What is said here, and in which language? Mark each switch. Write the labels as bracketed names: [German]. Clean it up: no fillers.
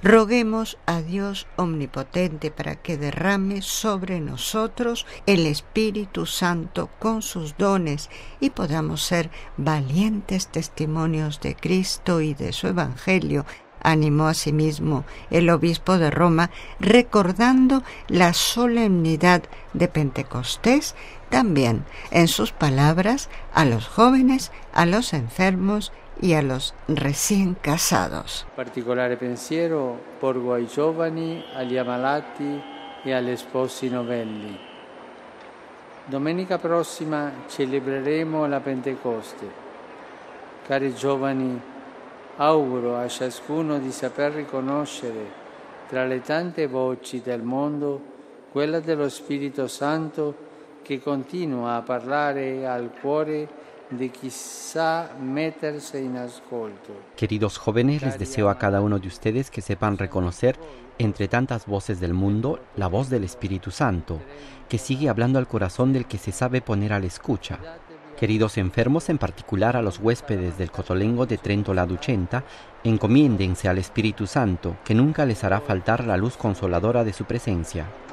[Spanish] Roguemos a Dios omnipotente para que derrame sobre nosotros el Espíritu Santo con sus dones y podamos ser valientes testimonios de Cristo y de su Evangelio, animó asimismo el obispo de Roma, recordando la solemnidad de Pentecostés, también en sus palabras a los jóvenes, a los enfermos y a los recién casados. [Italian] Particolare pensiero porgo ai giovani, agli ammalati e agli sposi novelli. Domenica prossima celebreremo la Pentecoste. Cari giovani, auguro a ciascuno di saper riconoscere tra le tante voci del mondo quella dello Spirito Santo che continua a parlare al cuore de quizá meterse en ascolto. [Spanish] Queridos jóvenes, les deseo a cada uno de ustedes que sepan reconocer entre tantas voces del mundo la voz del Espíritu Santo, que sigue hablando al corazón del que se sabe poner a la escucha. Queridos enfermos, en particular a los huéspedes del Cotolengo de Trento la Duchenta, encomiéndense al Espíritu Santo, que nunca les hará faltar la luz consoladora de su presencia.